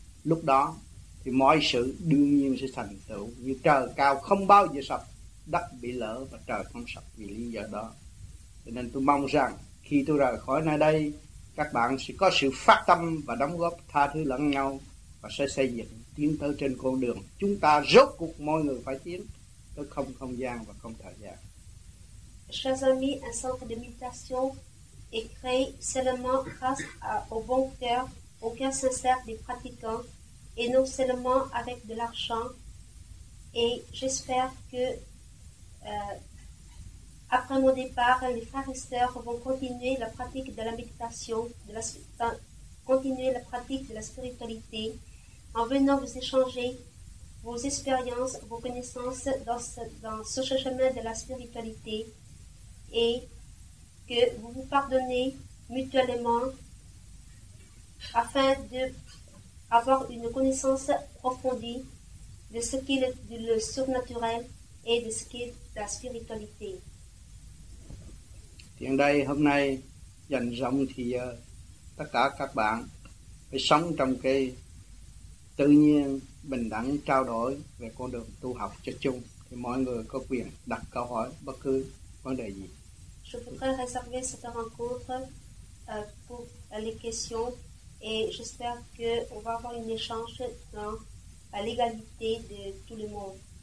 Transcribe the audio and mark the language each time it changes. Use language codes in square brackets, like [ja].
[vi] Lúc đó thì mọi sự đương nhiên sẽ thành tựu, như trời cao không bao giờ sập, đất bị lỡ và trời không sập vì lý do đó. Cho nên tôi mong rằng khi tôi rời khỏi nơi đây, các bạn sẽ có sự phát tâm và đóng góp tha thứ lẫn nhau, và sẽ xây dựng tiến bộ. tiến tới trên con đường chúng ta rốt cuộc mọi người phải tiến tới không không gian và không thời gian. [fr] Chers amis, un centre de méditation est créé seulement grâce au bon cœur, au cœur sincère des pratiquants et non seulement avec de l'argent. Et j'espère que après mon départ, les frères et sœurs vont continuer la pratique de la méditation, continuer la pratique de la spiritualité en venant vous échanger vos expériences, vos connaissances dans ce chemin de la spiritualité. Et que vous vous pardonnez mutuellement afin d'avoir une connaissance approfondie de ce qu'est le surnaturel et de ce qu'est la spiritualité. [vi] Tiếng đây hôm nay dành rộng thì tất cả các bạn phải sống trong cái tự nhiên bình đẳng trao đổi về con đường tu học cho chung, thì mọi người có quyền đặt câu hỏi bất cứ vấn đề gì. [fr] Je voudrais réserver cette rencontre pour les questions et j'espère qu'on va avoir un échange dans l'égalité de tout le monde.